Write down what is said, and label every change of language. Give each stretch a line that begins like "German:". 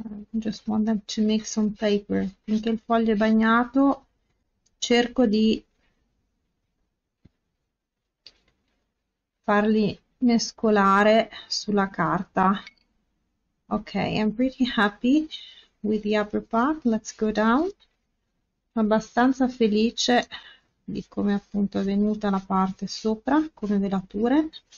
English: Just want them to mix on paper.
Italian: Finché il foglio è bagnato, cerco di farli mescolare sulla carta.
English: Okay, I'm pretty happy with the upper part. Let's go down.
Italian: Abbastanza felice di come appunto è venuta la parte sopra come velature.